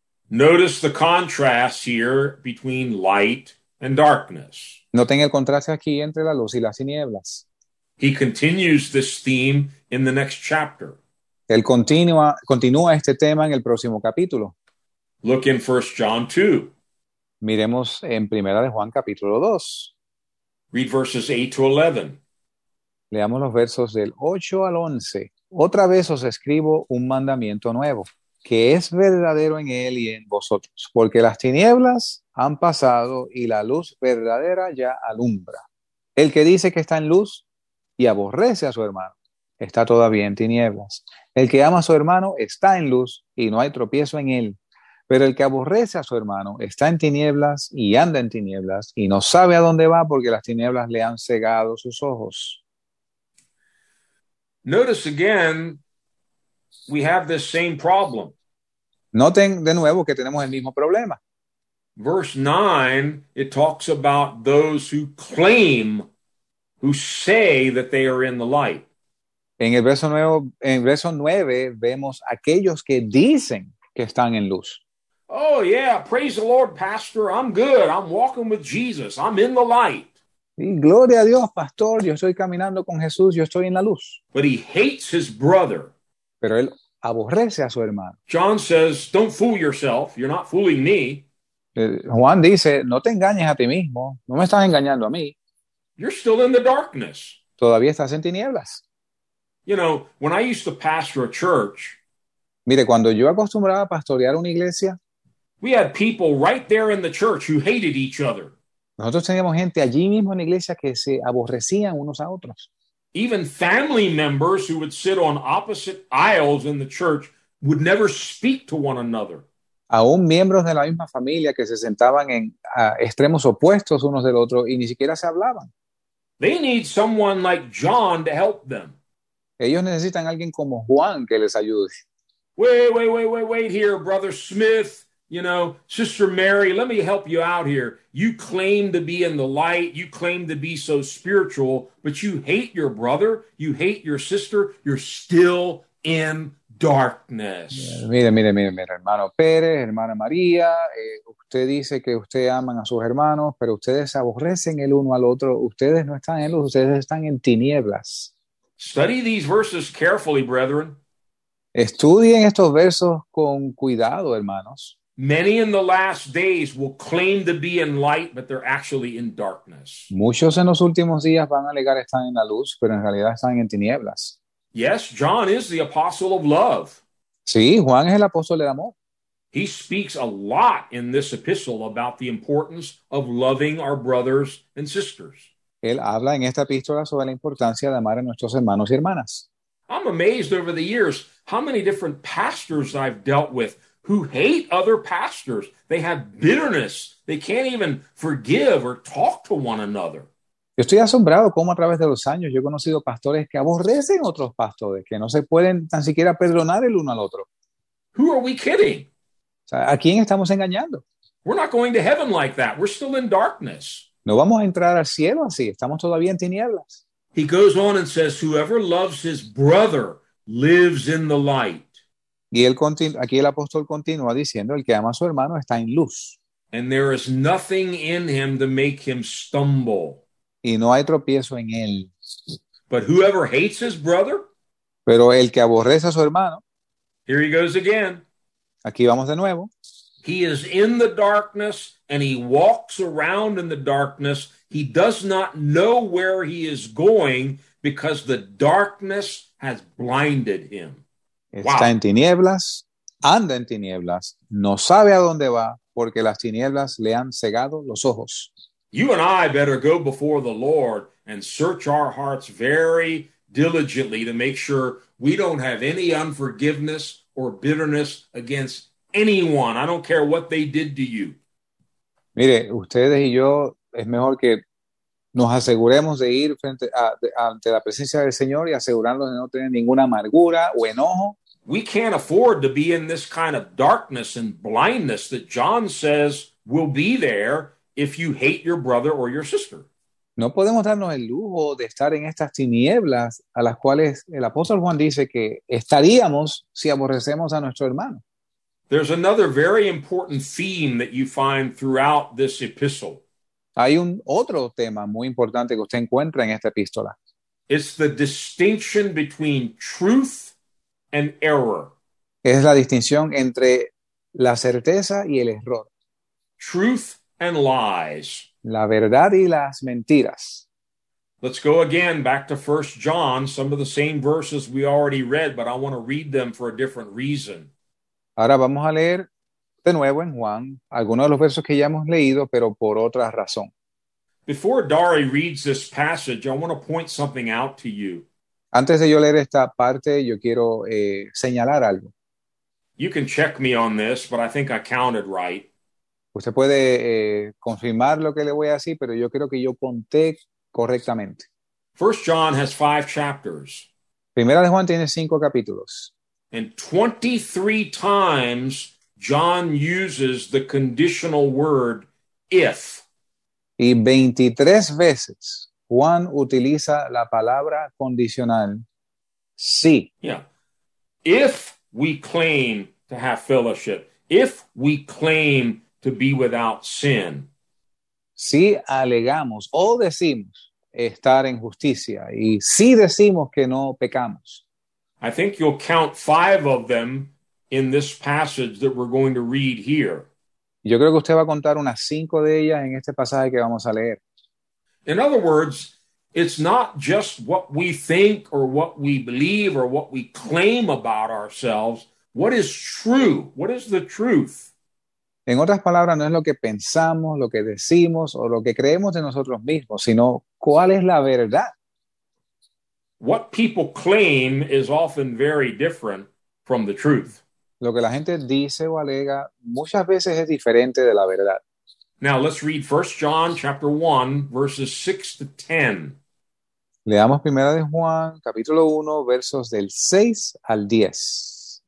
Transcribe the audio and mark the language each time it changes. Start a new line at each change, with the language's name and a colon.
English: Notice the contrast here between light and darkness.
Spanish: Noten el contraste aquí entre la luz y las tinieblas.
English: He continues this theme in the next chapter.
Spanish: Él continúa este tema en el próximo capítulo.
English: Look in 1 John 2.
Spanish: Miremos en Primera de Juan capítulo 2.
English: Read verses 8 to 11.
Spanish: Leamos los versos del 8 al 11. Otra vez os escribo un mandamiento nuevo, que es verdadero en él y en vosotros, porque las tinieblas han pasado y la luz verdadera ya alumbra. El que dice que está en luz y aborrece a su hermano, está todavía en tinieblas. El que ama a su hermano está en luz y no hay tropiezo en él. Pero el que aborrece a su hermano está en tinieblas y anda en tinieblas y no sabe a dónde va porque las tinieblas le han cegado sus ojos.
English: Notice again, we have this same problem.
Spanish: Noten de nuevo que tenemos el mismo problema.
English: Verse 9, it talks about those who claim, who say that they are in the light.
Spanish: En el verso 9 vemos aquellos que dicen que están en luz.
English: Oh yeah, praise the Lord, Pastor. I'm good. I'm walking with Jesus. I'm in the light.
Spanish: Gloria a Dios, pastor, yo estoy caminando con Jesús, yo estoy en la luz.
English: But he hates his brother.
Spanish: Pero él aborrece a su hermano.
English: John says, don't fool yourself, you're not fooling me.
Spanish: Juan dice, no te engañes a ti mismo, no me estás engañando a mí.
English: You're still in the darkness.
Spanish: Todavía estás en tinieblas.
English: You know, when I used to pastor a church,
Spanish: mire, cuando yo acostumbraba a pastorear una iglesia,
English: we had people right there in the church who hated each other.
Spanish: Nosotros teníamos gente allí mismo en la iglesia que se aborrecían unos a otros.
English: Even family members who would sit on opposite aisles in the church would never speak to one another.
Spanish: Aún miembros de la misma familia que se sentaban en extremos opuestos unos del otro y ni siquiera se hablaban.
English: They need someone like John to help them.
Spanish: Ellos necesitan a alguien como Juan que les ayude.
English: Wait here, Brother Smith, you know, Sister Mary, let me help you out here. You claim to be in the light, you claim to be so spiritual, but you hate your brother, you hate your sister, you're still in darkness.
Spanish: Mire, hermano Pérez, hermana María, usted dice que usted aman a sus hermanos, pero ustedes se aborrecen el uno al otro, ustedes no están en luz, ustedes están en tinieblas.
English: Study these verses carefully, brethren.
Spanish: Estudien estos versos con cuidado, hermanos.
English: Many in the last days will claim to be in light, but they're actually in darkness.
Spanish: Muchos en los últimos días van a alegar están en la luz, pero en realidad están en tinieblas.
English: Yes, John is the apostle of love.
Spanish: Sí, Juan es el apóstol del amor.
English: He speaks a lot in this epistle about the importance of loving our brothers and sisters.
Spanish: Él habla en esta epístola sobre la importancia de amar a nuestros hermanos y hermanas.
English: I'm amazed over the years how many different pastors I've dealt with who hate other pastors. They have bitterness. They can't even forgive or talk to one another.
Spanish: Yo estoy asombrado cómo a través de los años yo he conocido pastores que aborrecen otros pastores, que no se pueden tan siquiera perdonar el uno al otro.
English: Who are we kidding?
Spanish: O sea, ¿a quién estamos engañando?
English: We're not going to heaven like that. We're still in darkness.
Spanish: No vamos a entrar al cielo así, estamos todavía en tinieblas.
English: He goes on and says, whoever loves his brother lives in the light.
Spanish: Y él aquí el apóstol continúa diciendo, el que ama a su hermano está en luz.
English: And there is nothing in him to make him stumble.
Spanish: Y no hay tropiezo en él.
English: But whoever hates his brother,
Spanish: pero el que aborrece a su hermano,
English: here he goes again.
Spanish: Aquí vamos de nuevo.
English: He is in the darkness and he walks around in the darkness. He does not know where he is going because the darkness has blinded him.
Spanish: Está en tinieblas, anda en tinieblas, no sabe a dónde va porque las tinieblas le han cegado los ojos.
English: You and I better go before the Lord and search our hearts very diligently to make sure we don't have any unforgiveness or bitterness against anyone. I don't care what they did to you.
Spanish: Mire, ustedes y yo, es mejor que nos aseguremos de ir frente ante la presencia del Señor y asegurarnos de no tener ninguna amargura o enojo.
English: We can't afford to be in this kind of darkness and blindness that John says will be there if you hate your brother or your sister.
Spanish: No podemos darnos el lujo de estar en estas tinieblas a las cuales el apóstol Juan dice que estaríamos si aborrecemos a nuestro hermano.
English: There's another very important theme that you find throughout this epistle.
Spanish: Hay un otro tema muy importante que usted encuentra en esta epístola.
English: It's the distinction between truth and error.
Spanish: Es la distinción entre la certeza y el error.
English: Truth and lies.
Spanish: La verdad y las mentiras.
English: Let's go again back to 1 John, some of the same verses we already read, but I want to read them for a different reason.
Spanish: Ahora vamos a leer de nuevo en Juan algunos de los versos que ya hemos leído, pero por otra razón.
English: Before Dari reads this passage, I want to point something out to you.
Spanish: Antes de yo leer esta parte, yo quiero señalar algo.
English: You can check me on this, but I think I counted right.
Spanish: Usted puede confirmar lo que le voy a decir, pero yo creo que yo conté correctamente.
English: 1 John has 5 chapters.
Spanish: Primera de Juan tiene 5 capítulos.
English: And 23 times John uses the conditional word if.
Spanish: Y 23 veces Juan utiliza la palabra condicional si.
English: Yeah. If we claim to have fellowship, if we claim to be without sin.
Spanish: si alegamos o decimos estar en justicia y si decimos que no pecamos.
English: I think you'll count five of them in this passage that we're going to read here.
Spanish: Yo creo que usted va a contar unas cinco de ellas en este pasaje que vamos a leer.
English: In other words, it's not just what we think or what we believe or what we claim about ourselves. What is true? What is the truth?
Spanish: En otras palabras, no es lo que pensamos, lo que decimos o lo que creemos de nosotros mismos, sino cuál es la verdad.
English: What people claim is often very different from the truth.
Spanish: Lo que la gente dice o alega muchas veces es diferente de la verdad.
English: Now let's read 1 John chapter 1 verses 6 to 10.
Spanish: Leamos Primera de Juan capítulo 1 versos del 6 al 10.